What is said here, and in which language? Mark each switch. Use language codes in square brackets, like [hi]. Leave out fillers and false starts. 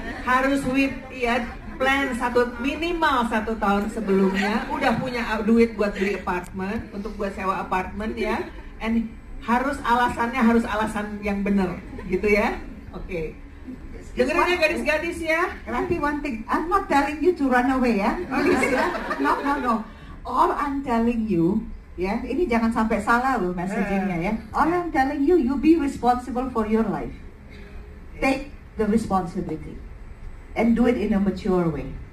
[id] Harus with ya plan satu minimal satu tahun sebelumnya. Udah punya duit buat beli apartemen, untuk buat sewa apartemen ya. And harus alasan yang benar, gitu ya? Okay. Dengerin ya gadis-gadis ya. [en] Nanti one thing, I'm not telling you to run away ya. No. All I'm telling you. [id] Ya, ini jangan sampai salah loh messaging-nya ya. [en] All I'm telling you, you be responsible for your life. Take the responsibility and do it in a mature way.